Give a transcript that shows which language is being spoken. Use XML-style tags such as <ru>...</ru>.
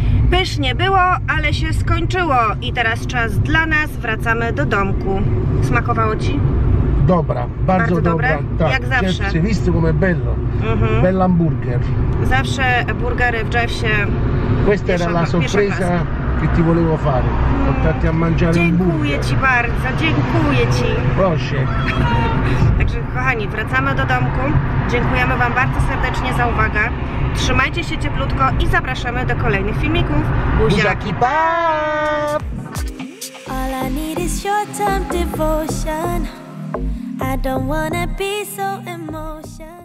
<pl>Pysznie było, ale się skończyło i teraz czas dla nas, wracamy do domku. Smakowało ci? Dobra, bardzo dobra. Tak. Jak zawsze.</pl> <it>Rzeczywiście, come bello. Mhm. Bel hamburger.</it> <pl>Zawsze burgery w Jeffsie.</pl> <it>Questa era la sorpresa che ti volevo fare. Portarti a mangiare un burger.</it> <pl>Dziękuję ci bardzo, dziękuję ci. Proszę. Także kochani, wracamy do domku. Dziękujemy wam bardzo serdecznie za uwagę. Trzymajcie się cieplutko i zapraszamy do kolejnych filmików. Buziaki, pa!</pl> <en>All I need is your time devotion. I don't wanna be so emotional.</en>